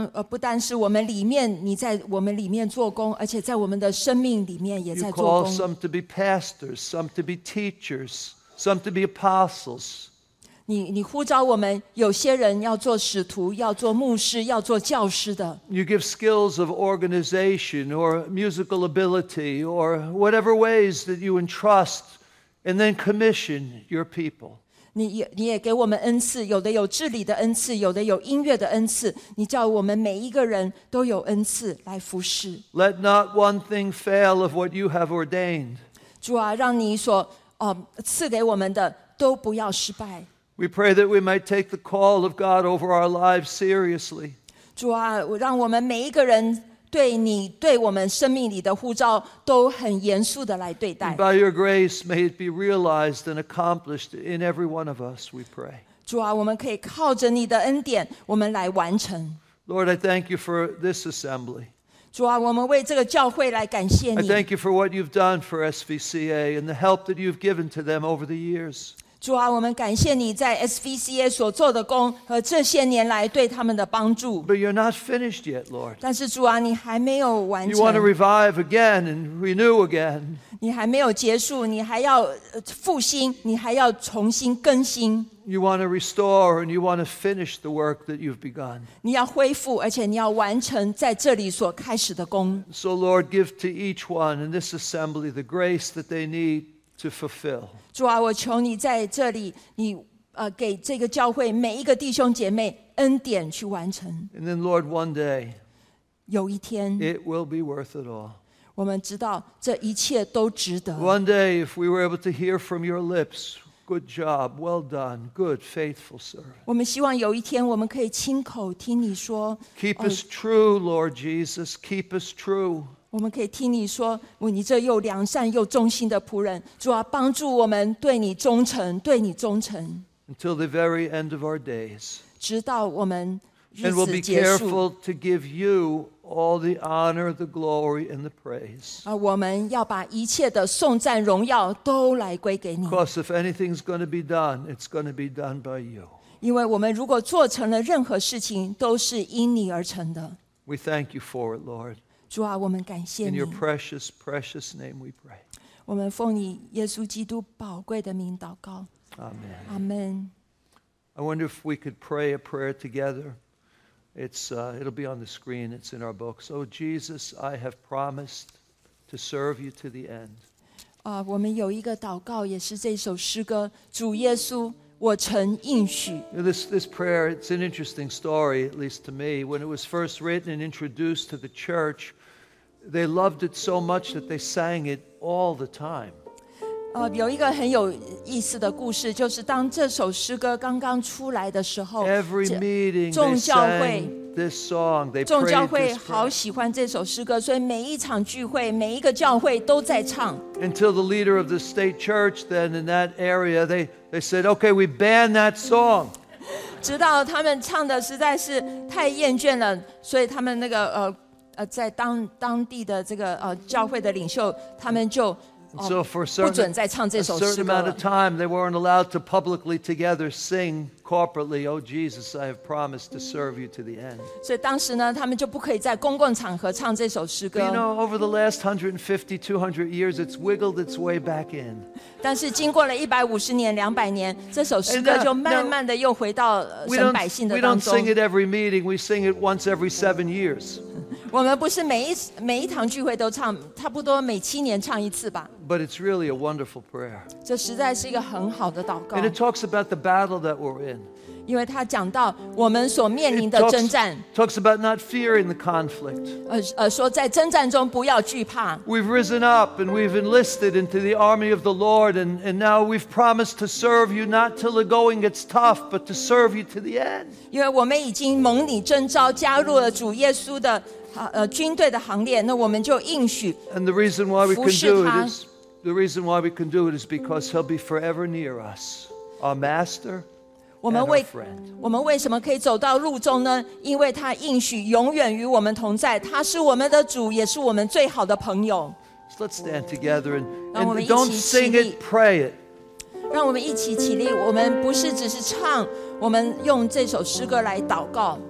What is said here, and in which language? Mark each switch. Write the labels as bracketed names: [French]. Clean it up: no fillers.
[Chinese] 不但是我们里面，你在我们里面做工，而且在我们的生命里面也在做工。 [English] You call some to be pastors, some to be teachers. Some to be apostles. [Chinese] 你呼召我们，有些人要做使徒，要做牧师，要做教师的。 [English] You give skills of organization or musical ability or whatever ways that you entrust and then commission your people. [Chinese] 你也给我们恩赐，有的有治理的恩赐，有的有音乐的恩赐。你叫我们每一个人都有恩赐来服侍。 [English] Let not one thing fail of what you have ordained. [Chinese] 主啊，让你所赐给我们的都不要失败。 [English] We pray that we might take the call of God over our lives seriously. [Chinese] 主啊，让我们每一个人对你对我们生命里的呼召都很严肃的来对待。 [English] And by your grace, may it be realized and accomplished in every one of us. We pray. [Chinese] 主啊，我们可以靠着你的恩典，我们来完成。 [English] Lord, I thank you for this assembly. [Chinese] 主啊，我们为这个教会来感谢你。 [English] I thank you for what you've done for SVCA and the help that you've given to them over the years. [Chinese] 主啊，我们感谢你在 SVCA 所做的工和这些年来对他们的帮助。 [English] But you're not finished yet, Lord. [Chinese] 但是主啊，你还没有完成。 [English] You want to revive again and renew again. [Chinese] 你还没有结束，你还要复兴，你还要重新更新。 [English] You want to restore and you want to finish the work that you've begun. [Chinese] 你要恢复，而且你要完成在这里所开始的工。 [English] So Lord, give to each one in this assembly the grace that they need to fulfill. [Chinese] 主啊，我求你在这里，你给这个教会每一个弟兄姐妹恩典去完成。 [English] And then Lord, one day, [Chinese] 有一天 [English] it will be worth it all. [Chinese] 我们知道这一切都值得。 [English] One day, if we were able to hear from your lips,Good job, well done, good, faithful servant. [Chinese] 我们希望有一天我们可以亲口听你说 [English] Keep us true, Lord Jesus, keep us true. [Chinese] 我们可以听你说你这又良善又忠心的仆人主啊帮助我们对你忠诚对你忠诚 [English] Until the very end of our days. [Chinese] 直到我们日子结束 [English] And we'll be careful to give you all the honor, the glory, and the praise. [Chinese] 我们要把一切的颂赞荣耀都来归给你。 [English] Because if anything's going to be done, it's going to be done by you. [Chinese] 因为我们如果做成了任何事情，都是因你而成的。 [English] We thank you for it, Lord. [Chinese] 主啊，我们感谢你。 [English] In your precious, precious name we pray. [Chinese] 我们奉你耶稣基督宝贵的名祷告。 [English] Amen. Amen. I wonder if we could pray a prayer together. It'll be on the screen. It's in our book. So, Jesus, I have promised to to serve you to the end. [Chinese] 我们有一个祷告，也是这首诗歌，主耶稣，我曾应许。 [English] This prayer, it's an interesting story, at least to me. When it was first written and introduced to the church, they loved it so much that they sang it all the time. [Chinese] 有一个很有意思的故事，就是当这首诗歌刚刚出来的时候， [English] every meeting, they sang this song. They prayed this prayer. [Chinese] 众教会好喜欢这首诗歌，所以每一场聚会，每一个教会都在唱。 [English] Until the leader of the state church, then in that area, they said, "Okay, we ban that song." [Chinese] 直到他们唱的实在是太厌倦了，所以他们那个在当地的这个教会的领袖，他们就 [English] So for a certain amount of time, they weren't allowed to publicly together sing corporately, "Oh Jesus, I have promised to serve you to the end." [Chinese] So 当时呢，他们就不可以在公共场合唱这首诗歌。 [English] But you know, over the last 150, 200 years, it's wiggled its way back in. [Chinese] 但是经过了150年、200年，这首诗歌就慢慢的又回到神百姓的当中。 [English] We don't sing it every meeting. We sing it once every 7 years. [Chinese] 我们不是每一堂聚会都唱，差不多每7年唱一次吧。 [English] But it's really a wonderful prayer. [Chinese] 这实在是一个很好的祷告。 [English] And it talks about the battle that we're in. [Chinese] 因为它讲到我们所面临的征战。 [English] Talks about not fearing the conflict. [Chinese] 说在征战中不要惧怕。 [English] We've risen up and we've enlisted into the army of the Lord, and now we've promised to serve you not till the going gets tough, but to serve you to the end. [Chinese] 因为我们已经蒙你征召，加入了主耶稣的。军队的行列，那我们就应许服侍他。 [English] And the reason why we can do it is the reason why we can do it is because he'll be forever near us, our master and our friend. [Chinese] 我们为什么可以走到路中呢？因为他应许永远与我们同在，他是我们的主，也是我们最好的朋友。 [English] So let's stand together and don't sing it, pray it. [Chinese] 让我们一起起立。我们不是只是唱，我们用这首诗歌来祷告。